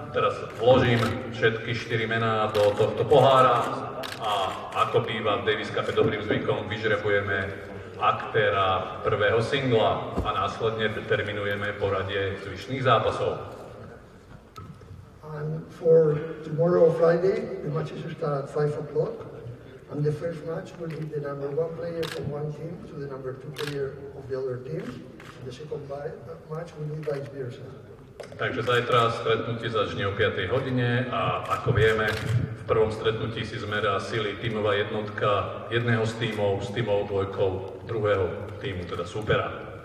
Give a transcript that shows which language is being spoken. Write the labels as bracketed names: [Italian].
[Slovak] Teraz vložím všetky 4 mená do tohto pohára a ako býva v Davis Cup dobrým zvykom, vyžrebujeme aktéra prvého singla a následne determinujeme poradie zvyšných zápasov. [English] And for tomorrow Friday, the match is start at 5 o'clock and the first match will be the number one player from one team to the number two player of the other team. The second match will be vice versa. [Slovak] Takže zajtra stretnutie začne o 5 hodine a ako vieme, v prvom stretnutí si zmerá sily tímová jednotka jedného z tímov s tímovou dvojkou druhého tímu, teda súpera.